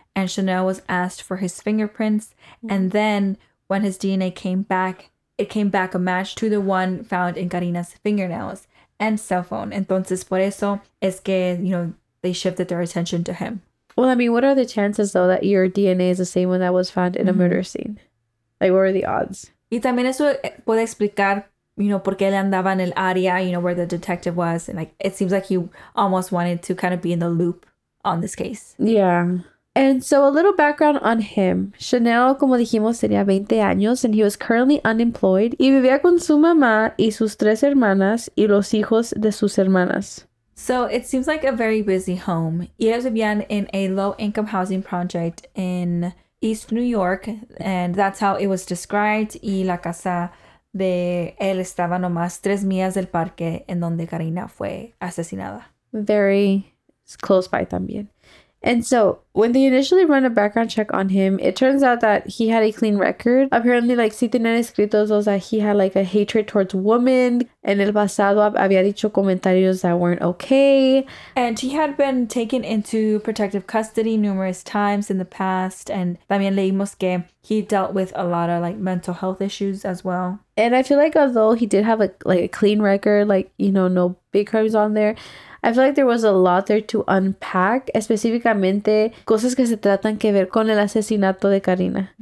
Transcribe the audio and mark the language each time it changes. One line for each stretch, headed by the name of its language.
English: And Chanel was asked for his fingerprints. And then when his DNA came back, it came back a match to the one found in Karina's fingernails and cell phone.
Spanish: Entonces, por eso es que,
English: you know, they shifted their attention to him. Well, I mean, what are the chances, though, that your DNA is the same one that was found in a murder scene? Like, what are the odds?
Spanish: Y también eso puede explicar, you know, por qué le andaba en el área, you know,
English: where the detective was. And, like, it seems like he almost wanted to kind of be in the loop on this case. Yeah. And so a little background on him.
Spanish: Chanel, como dijimos, tenía 20 años
English: and he was currently unemployed.
Spanish: Y vivía con su mamá y sus tres hermanas y los hijos de sus hermanas.
English: So it seems like a very busy home.
Spanish: Y ellos vivían
English: in a low-income housing project in East New York. And that's how it was described.
Spanish: Y la casa de él estaba nomás 3 millas del parque en donde Karina fue asesinada.
English: Very close by también. And so, when they initially run a background check on him, it turns out that he had a clean record. Apparently, like,
Spanish: si tenían escritos, o sea,
English: he had, like, a hatred towards women.
Spanish: En el pasado, había dicho comentarios
English: that weren't okay. And he had been taken into protective custody numerous times in the past. And
Spanish: también leímos que
English: he dealt with a lot of, like, mental health issues as well. And I feel like although he did have, a clean record, like, you know, no big crimes on there, I feel like there was a lot there to unpack,
Spanish: específicamente cosas que se tratan que ver con el asesinato de Karina.